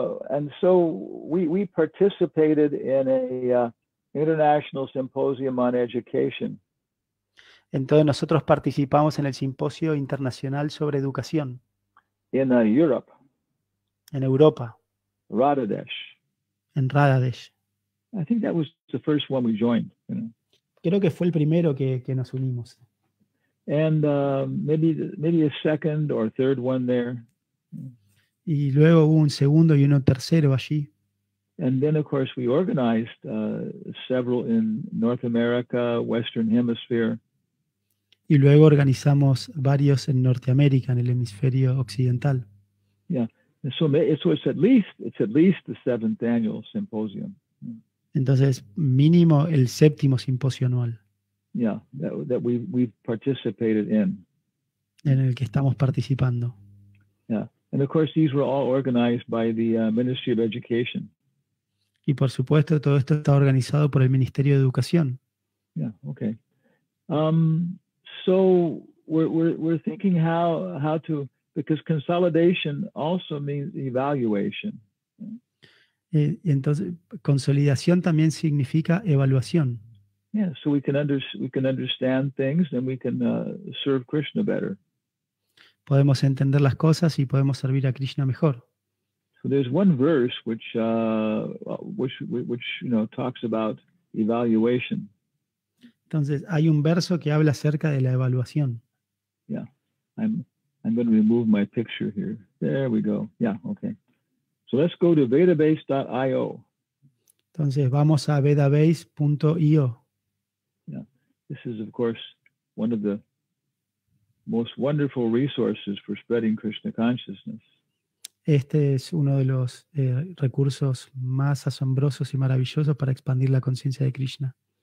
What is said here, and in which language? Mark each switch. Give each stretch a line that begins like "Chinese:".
English: And so we participated in a international symposium on education.
Spanish: Entonces nosotros participamos en el simposio internacional sobre educación.
English: In Europe.
Spanish: En Europa.
English: Radadesh.
Spanish: En Radadesh.
English: I think that was the first one we joined.
Spanish: Creo que fue el primero que nos unimos.
English: And maybe a second or third one there.
Spanish: Y luego hubo un segundo y uno tercero allí.
English: And then, of course, we organized several in North America, Western Hemisphere.
Spanish: Y luego organizamos varios en Norteamérica, en el hemisferio occidental.
English: Yeah. And so it's at least the seventh annual symposium.
Spanish: Entonces, mínimo el séptimo simposio anual.
English: Yeah, that we've participated in.
Spanish: En el que estamos participando.
English: Yeah, and of course these were all organized by the Ministry of Education.
Spanish: Y por supuesto todo esto está organizado por el Ministerio de Educación.
English: Yeah, okay. So we're thinking how to, because consolidation also means evaluation.
Spanish: Entonces consolidación también significa evaluación.
English: Yeah, so we can understand things and we can serve Krishna better.
Spanish: Podemos entender las cosas y podemos servir a Krishna mejor.
English: So there's one verse which talks about evaluation.
Spanish: Entonces hay un verso que habla acerca de la evaluación.
English: Yeah, I'm going to remove my picture here. There we go. Yeah, okay. So let's go to vedabase.io.
Spanish: Entonces vamos a vedabase.io.
English: This is, of course, one of the most wonderful resources for spreading Krishna consciousness.
Spanish: Este es uno de los recursos más asombrosos y maravillosos para expandir la conciencia de Krishna.